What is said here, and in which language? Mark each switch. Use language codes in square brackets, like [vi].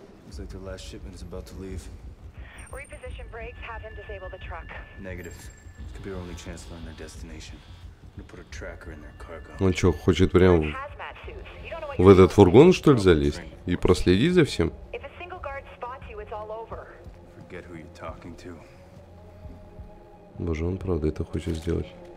[en] Looks like the last shipment is about to leave. Reposition brakes. Have him disable the truck. Negative. This could be our only chance to find their destination. I'm gonna put a tracker in their cargo. [ru] Он что, хочет прям в этот фургон, что ли, залезть? И проследить за всем? [en] If a single guard spots you, it's all over. Forget who you're talking to. [ru] Боже, он правда это хочет сделать.